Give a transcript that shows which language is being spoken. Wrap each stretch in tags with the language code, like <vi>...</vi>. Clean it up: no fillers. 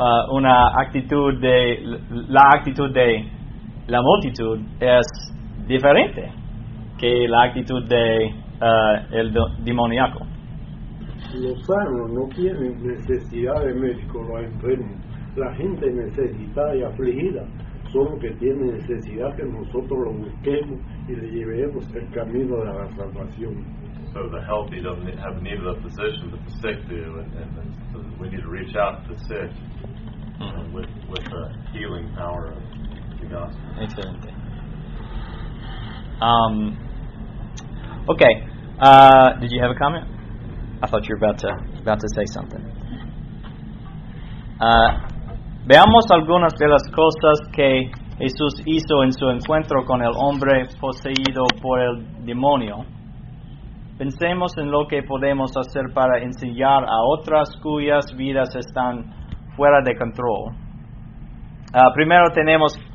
<es>Una actitud de la actitud de la multitud es diferente que la actitud de el demoníaco. Los sanos no tienen necesidad de médico, los enfermos. La gente necesitada y afligida son los que tienen necesidad que nosotros los busquemos y le llevemos el camino de la salvación.</es> <en>So the healthy don't have need of a physician, but the sick do, and we need to reach out to the sick with the healing power of the gospel.</en> <es>Excelente.</es> <en>Okay. Did you have a comment? I thought you were about to say something.</en> <es>Veamos algunas de las cosas que Jesús hizo en su encuentro con el hombre poseído por el demonio. Pensemos en lo que podemos hacer para enseñar a otras cuyas vidas están fuera de control. Primero tenemos</es>